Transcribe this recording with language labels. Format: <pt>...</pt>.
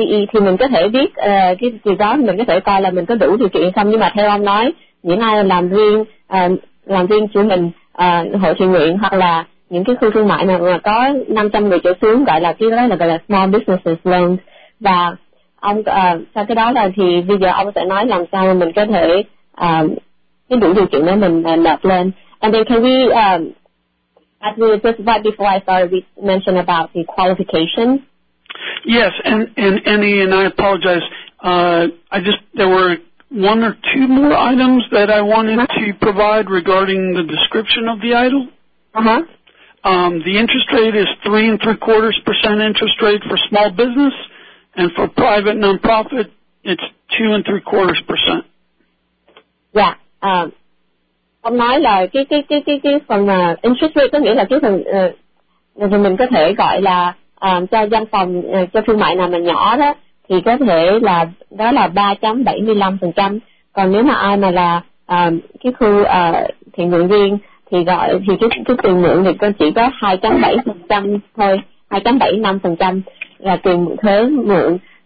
<vi>thì mình có thể biết cái gì đó mình có thể coi là mình có đủ điều kiện không. Nhưng mà theo ông nói những ai làm riêng chủ mình hội thiện nguyện hoặc là những cái khu thương mại mà có 500 người trở xuống gọi là cái đó là gọi là</vi> <en>small businesses loan.</en> <vi>Và ông sau cái đó là thì bây giờ ông sẽ nói làm sao mình có thể cái đủ điều kiện để mình nộp lên.</vi> <en>And then can we just right before I started we mentioned about the qualification. Yes, and Annie, and I apologize. There were one or two more items that I wanted to provide regarding the description of the IDL. Uh-huh. The interest rate is 3.75% interest rate for small business, and for private nonprofit, it's 2.75%. Yeah.</en> <vi>Ông nói là cái phần</vi> <en>interest rate</en> <vi>có nghĩa là cái phần thì mình có thể gọi là cho văn phòng cho thương mại nào mà nhỏ đó thì có thể là đó là 3.75%. Còn nếu mà ai mà là cái khu thiện nguyện viên thì gọi thì cái tiền mượn thì con chỉ có 2.7% thôi, 2.75% là tiền thuế mượn.</vi>